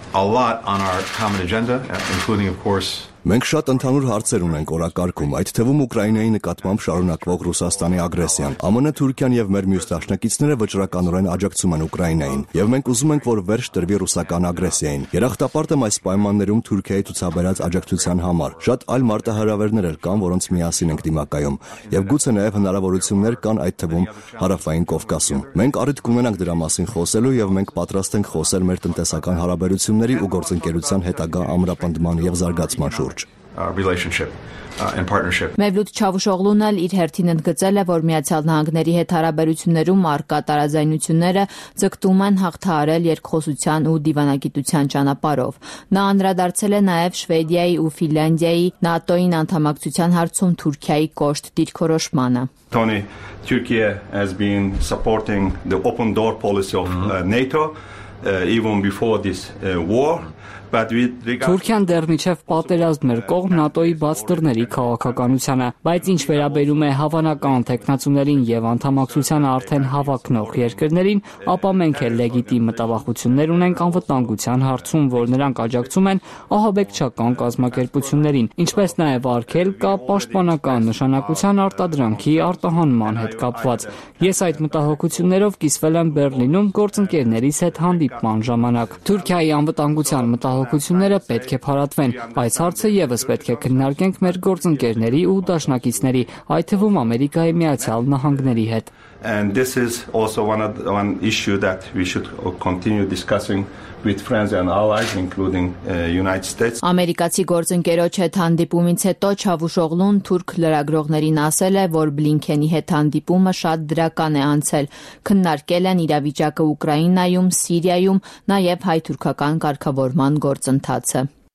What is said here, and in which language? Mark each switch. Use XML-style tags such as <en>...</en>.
<en>A lot on our common agenda, including, of course,</en> <hy>Մենք շատ ընդհանուր հարցեր ունենք օրակարգում, այդ թվում Ուկրաինայի նկատմամբ շարունակվող Ռուսաստանի ագրեսիան։ ԱՄՆ, Թուրքիան եւ մեր մյուս դաշնակիցները վճռականորեն աջակցում են Ուկրաինային, եւ մենք ուզում ենք, որ վերջ տրվի ռուսական ագրեսիային։ Երախտապարտ եմ այս պայմաններում Թուրքիայի ցուցաբերած աջակցության համար։ Շատ այլ մարտահրավերներ կան, որոնց միասին ենք դիմակայում, եւ գուցե նաեւ հնարավորություններ կան այդ թվում հարավային Կովկասում։ Մենք առիթ կունենանք դրա մասին խոսելու եւ մենք պատրաստ ենք խոսել մեր տնտեսական հարաբերությունների ու գործընկերության հետագա ամրապնդման եւ զարգացման շուրջ.</hy> <en>Relationship and partnership.</en> <hy>Մևլութ Չավուշօղլուն էլ իր հերթին ընդգծել է, որ Միացյալ Նահանգների հետ հարաբերություններում առկա տարաձայնությունները ձգտում են հաղթահարել երկխոսության ու դիվանագիտության ճանապարհով։ Նա անդրադարձել է նաև Շվեդիայի ու Ֆինլանդիայի ՆԱՏՕ-ին անդամակցության հարցում Թուրքիայի կոշտ դիրքորոշմանը։</hy> <en>Tony, Turkey has been supporting the open door policy of NATO even before this war.</en> <hy>Թուրքիան դեռ միջև պատերազմ էր կողմ ՆԱՏՕ-ի բաց դռների քաղաքականությանը, բայց ինչ վերաբերում է հավանական թեկնածուներին եւ անդամակցության արդեն հավակնող երկրներին, ապա մենք էլ լեգիտիմ մտավախություններ ունենք անվտանգության հարցում, որ նրանք աջակցում են ահաբեկչական կազմակերպություններին, ինչպես նաեւ արգել կա պաշտպանական նշանակության արտադրանքի արտահանման հետ կապված։ Ես այդ մտահոգություններով կիսվել եմ Բեռլինում գործընկերներիս հետ հանդիպման ժամանակ։ Թուրքիայի անվտանգության հաղորդությունները պետք է փառատվեն, այս հարցը եւս պետք է քննարկենք մեր գործընկերների ու դաշնակիցների, այդ թվում Ամերիկայի Միացյալ Նահանգների հետ։</hy> <en>And this is also one issue that we should continue discussing with friends and allies including United States.</en> <hy>Ամերիկացի գործընկերոջ հետ հանդիպումից հետո Չավուշօղլուն թուրք լրագրողներին ասել է, որ Բլինքենի հետ հանդիպումը շատ դրական է անցել։ Քննարկել են իրավիճակը Ուկրաինայում, Սիրիայում, նաև հայ-թուրքական կարգավորման գործընթացը։</hy>